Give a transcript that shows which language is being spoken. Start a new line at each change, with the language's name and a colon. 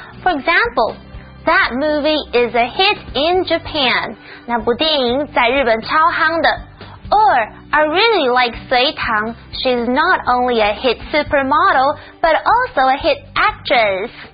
English: For example, that movie is a hit in Japan.
Chinese: 那部电影在日本超夯的。
English: Or, I really like Sui Tang. She's not only a hit supermodel, but also a hit actress.